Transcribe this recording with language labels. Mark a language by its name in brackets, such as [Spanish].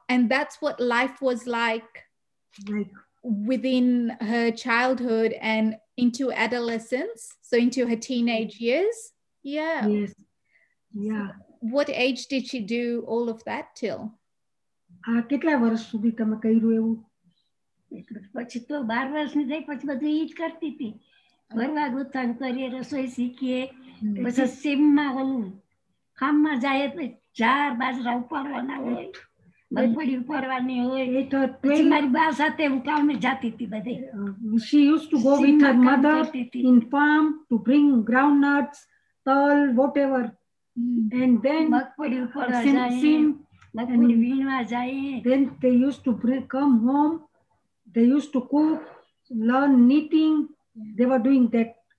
[English] And that's what life was like within her childhood and into adolescence, so into her teenage years. Yeah. Yes. Yeah. So what age did she do all of that till? [Gujarati] કેટલા વર્ષ સુધી તમે કર્યું એવું? પછી તો 12 વર્ષની થઈ પછી બધું એ જ કરતી હતી. ભરવા ગુથાન કરીએ, રસોઈ શીખીએ, પછી સીમમાં ઓલું ખામમાં જાય તો ચાર બાજરા ઉપાડવાના હોય, મગફળી ઉપાડવાની હોય. એ તો મારી બા સાથે હું કામે જતી હતી બધે. [English] She use to go with her mother in farm to bring ground nuts, તલ, whatever. And then [Gujarati] મગફળી ઉપાડવા જાય. [English] Then they used to bring, come home, they used to cook, learn knitting, they were doing that.